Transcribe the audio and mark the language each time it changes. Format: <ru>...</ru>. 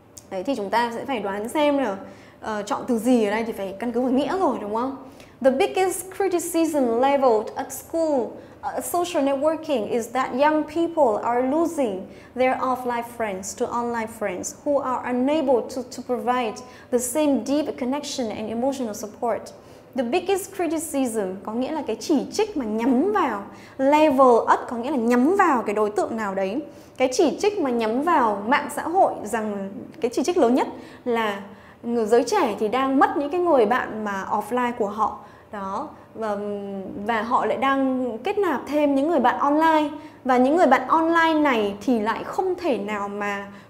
<vi>Đấy, thì chúng ta sẽ phải đoán xem là chọn từ gì ở đây thì phải căn cứ vào nghĩa rồi, đúng không?</vi> <en>The biggest criticism leveled at school social networking is that young people are losing their offline friends to online friends who are unable to provide the same deep connection and emotional support. The biggest criticism</en> <vi>có nghĩa là cái chỉ trích mà nhắm vào. Level up có nghĩa là nhắm vào cái đối tượng nào đấy. Cái chỉ trích mà nhắm vào mạng xã hội, rằng cái chỉ trích lớn nhất là người giới trẻ thì đang mất những cái người bạn mà offline của họ đó, và họ lại đang kết nạp thêm những người bạn online, và những người bạn online này thì lại không thể nào mà</vi>